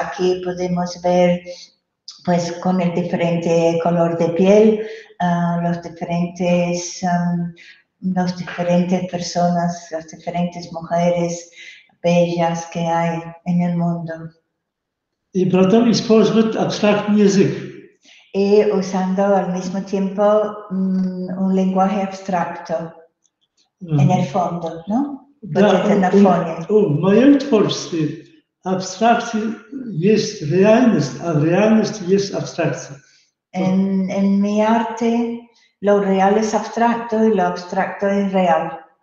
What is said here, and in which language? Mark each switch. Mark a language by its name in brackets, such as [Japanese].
[Spanish] Aquí podemos ver, pues, con el diferente color de piel, las diferentes mujeres bellas que hay en el mundo. Y pronto dispones de [English] abstract music. [Spanish] Y usando al mismo tiempo un lenguaje abstracto en el fondo, ¿no? [Russian] Да, [Spanish] en el [Russian] творчестве абстракция есть реальность, а реальность есть абстракция. [Spanish] En mi arte lo real es abstracto y lo abstracto es real.